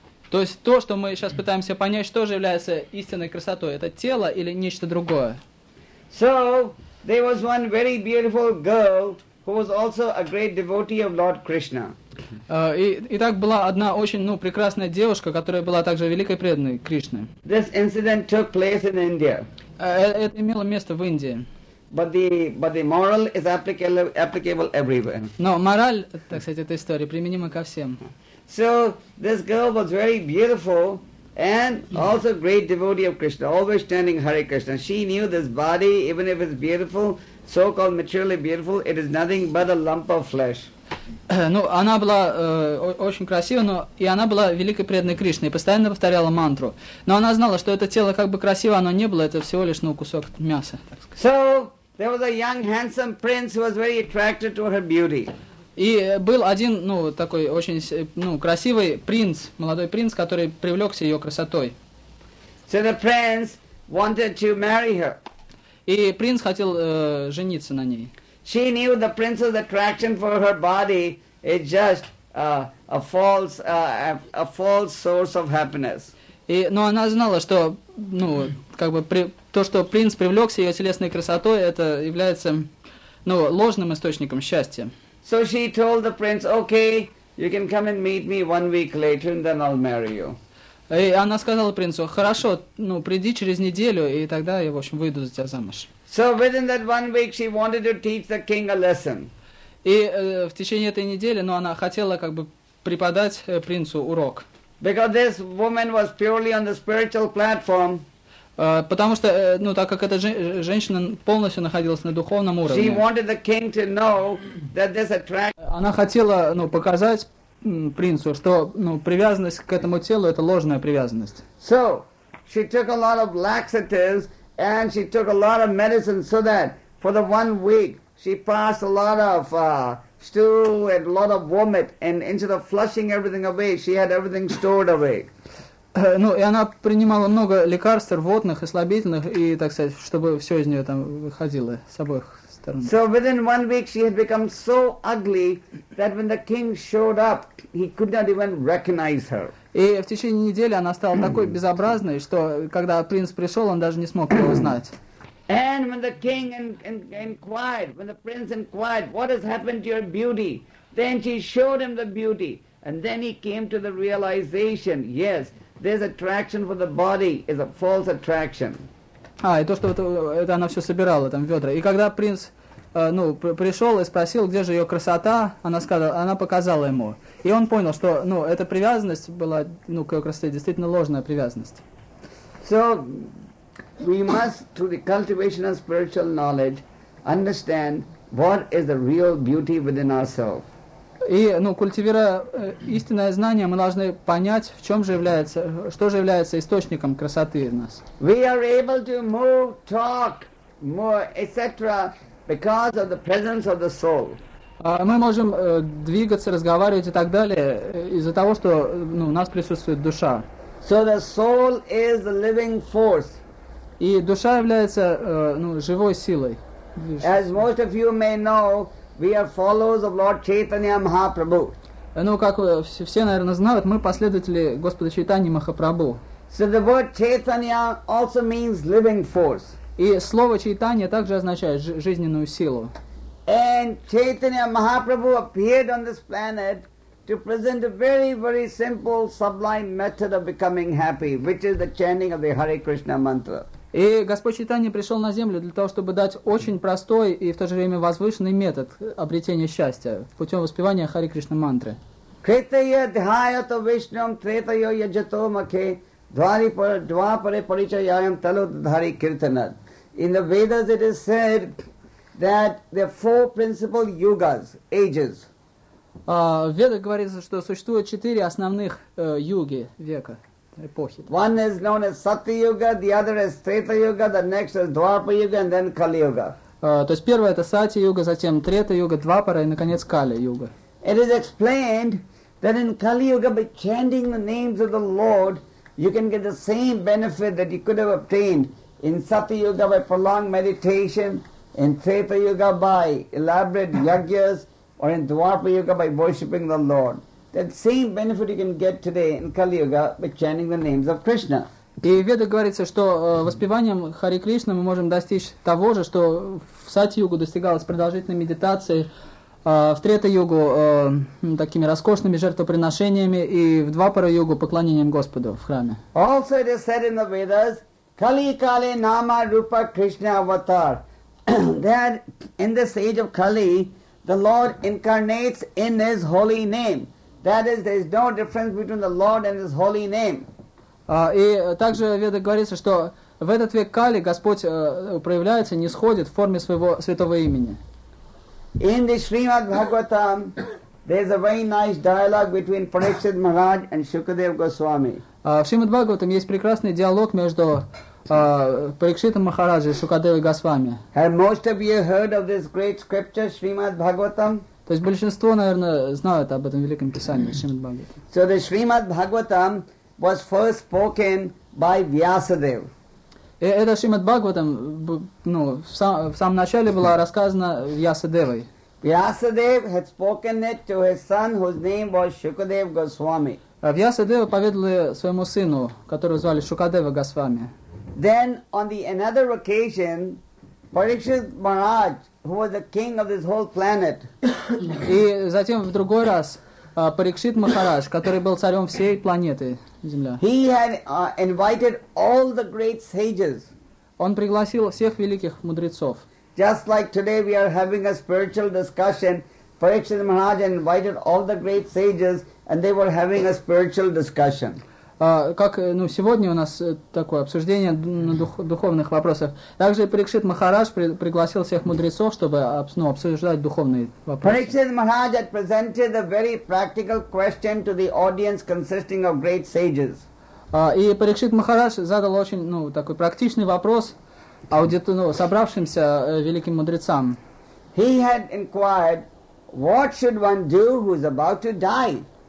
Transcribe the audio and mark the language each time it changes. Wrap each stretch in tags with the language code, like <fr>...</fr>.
<ru>То есть то, что мы сейчас пытаемся понять, что же является истинной красотой, это тело или нечто другое?</ru> <en>So, there was one very beautiful girl who was also a great devotee of Lord Krishna.</en> <ru>И так была одна очень, ну, прекрасная девушка, которая была также великой преданной Кришны.</ru> <en>This incident took place in India.</en> <ru>Это имело место в Индии.</ru> <en>But the moral is applicable everywhere.</en> <ru>Но мораль, так сказать, этой истории применима ко всем.</ru> <en>So this girl was very beautiful and also great devotee of Krishna, always chanting Hare Krishna. She knew this body, even if it's beautiful, so-called materially beautiful, it is nothing but a lump of flesh.</en> <ru>Ну, она была очень красива, но и она была великой преданной Кришне и постоянно повторяла мантру. Но она знала, что это тело как бы красиво, оно не было, это всего лишь ну кусок мяса.</ru> <en>So there was a young handsome prince who was very attracted to her beauty.</en> <ru>И был один, ну, такой очень, ну, красивый принц, молодой принц, который привлёкся её красотой.</ru> <en>So the prince wanted to marry her.</en> <ru>И принц хотел жениться на ней.</ru> <en>She knew the prince's attraction for her body is just a false source of happiness.</en> <ru>И, ну, она знала, что, ну, как бы то, что принц привлёкся её телесной красотой, это является, ну, ложным источником счастья.</ru> <en>So she told the prince, okay, you can come and meet me 1 week later and then I'll marry you.</en> <ru>И она сказала принцу, хорошо, ну, приди через неделю, и тогда я, в общем, выйду за тебя замуж.</ru> <en>So within that 1 week she wanted to teach the king a lesson.</en> <ru>И в течение этой недели, ну, она хотела, как бы, преподать принцу урок.</ru> <en>Because this woman was purely on the spiritual platform.</en> <ru>Потому что, ну, так как эта женщина полностью находилась на духовном уровне,</ru> <en>she wanted the king to know that this attraction...</en> <ru>она хотела, ну, показать принцу, что ну, привязанность к этому телу – это ложная привязанность.</ru> <en>So, she took a lot of laxatives, and she took a lot of medicine so that for the 1 week she passed a lot of stool and a lot of vomit, and instead of flushing everything away, she had everything stored away.</en> <ru>Ну, и она принимала много лекарств, рвотных и слабительных, и, так сказать, чтобы все из нее там выходило с обоих сторон.</ru> <en>So within 1 week she had become so ugly that when the king showed up, he could not even recognize her.</en> <ru>И в течение недели она стала такой безобразной, что когда принц пришел, он даже не смог ее узнать.</ru> <en>And when the king inquired, when the prince inquired, what has happened to your beauty, then she showed him the beauty, and then he came to the realization, yes, this attraction for the body is a false attraction.</en> <ru>А, и то, что это она все собирала там ведра. И когда принц ну, пришел и спросил, где же ее красота, она сказала, она показала ему. И он понял, что ну, эта привязанность была ну, к ее красоте действительно ложная привязанность.</ru> <en>So, we must, through the cultivation of spiritual knowledge, understand what is the real beauty within ourselves.</en> <ru>И, ну, культивируя истинное знание, мы должны понять, в чем же является, что же является источником красоты в нас.</ru> <en>We are able to move, talk, move, etc. because of the presence of the soul.</en> <ru>Мы можем двигаться, разговаривать и так далее из-за того, что ну, у нас присутствует душа.</ru> <en>So the soul is the living force.</en> <ru>И душа является ну, живой силой.</ru> <en>As most of you may know, we are followers of Lord Chaitanya Mahaprabhu.</en> <ru>Ну, как все, наверное, знают, мы последователи Господа Чайтаньи Махапрабху.</ru> <en>So the word Chaitanya also means living force.</en> <ru>И слово Чайтанья также означает жизненную силу.</ru> <en>And Chaitanya Mahaprabhu appeared on this planet to present a very, very simple, sublime method of becoming happy, which is the chanting of the Hare Krishna mantra.</en> <ru>И Господь Чайтанья пришел на землю для того, чтобы дать очень простой и в то же время возвышенный метод обретения счастья путем воспевания Хари Кришна мантры.</ru> <sa>Критая дхаято вишнам третая яджато макхе двари двапаре паричаяям тало дхари киртанат.</sa> <en>In the Vedas it is said that there are four principal yugas, ages.</en> <ru>В Ведах говорится, что существует четыре основных юги, века. Эпохи.</ru> <en>One is known as Satyayuga, the other is Treta-yuga, the next is Dwapara-yuga, and then Kali-yuga.</en> <ru>То есть первое это Satyayuga, затем Treta-yuga, Dwapara, и наконец Kali-yuga.</ru> <en>It is explained that in Kali-yuga, by chanting the names of the Lord, you can get the same benefit that you could have obtained in Satyayuga by prolonged meditation, in Treta-yuga by elaborate yajnas, or in Dwapara-yuga by worshipping the Lord. That same benefit you can get today in Kali Yuga by chanting the names of Krishna.</en> <ru>И в Ведах говорится, что воспеванием Хари Кришны мы можем достичь того же, что в Сати-югу достигалось продолжительной медитацией, в Трета-югу такими роскошными жертвоприношениями и в Двапара-югу поклонением Господу в храме.</ru> <en>Also it is said in the Vedas,</en> <sa>Kali Kali Nama Rupa Krishna Avatar,</sa> <en>that in this age of Kali, the Lord incarnates in His holy name. That is, there is no difference between the Lord and His holy name.</en> <ru>И также в Ведах говорится, что в этот век Кали Господь проявляется, нисходит в форме своего святого имени.</ru> <en>In the Srimad Bhagavatam, there is a very nice dialogue between Parikshit Maharaj and Shukadev Goswami.</en> <ru>В Шримад Бхагаватам есть прекрасный диалог между Парикшитом Махараджем и Шукадевой Госвами.</ru> <en>Have most of you heard of this great scripture, Srimad Bhagavatam?</en> <ru>То есть большинство, наверное, знают об этом великом писании Шримад Бхагаватам.</ru> <en>So the Shrimad Bhagavatam was first spoken by Vyasadev.</en> <ru>Это Шримад Бхагаватам, ну, в самом начале была рассказана Вьясадевой.</ru> <en>Vyasadev had spoken it to his son, whose name was Shukadev Goswami.</en> <ru>Вьясадева поведала своему сыну, которого звали Шукадева Госвами.</ru> <en>Then on the another occasion, Parikshit Maharaj, who was the king of this whole planet.</en> <ru>И затем в другой раз Парикшит Махарадж, который был царем всей планеты Земля.</ru> <en>He had invited all the great sages.</en> <ru>Он пригласил всех великих мудрецов.</ru> <en>Just like today we are having a spiritual discussion, Parikshit Maharaj invited all the great sages and they were having a spiritual discussion.</en> <ru>Как ну, сегодня у нас такое обсуждение духовных вопросов. Также Парикшит Махарадж пригласил всех мудрецов, чтобы ну, обсуждать духовные вопросы.</ru> <en>Парикшит Махарадж had presented a very practical question to the audience consisting of great sages.</en> <ru>И Парикшит Махарадж задал очень ну, такой практичный вопрос ну, собравшимся великим мудрецам.</ru> <en>He had inquired, what should one do who is about to die?</en>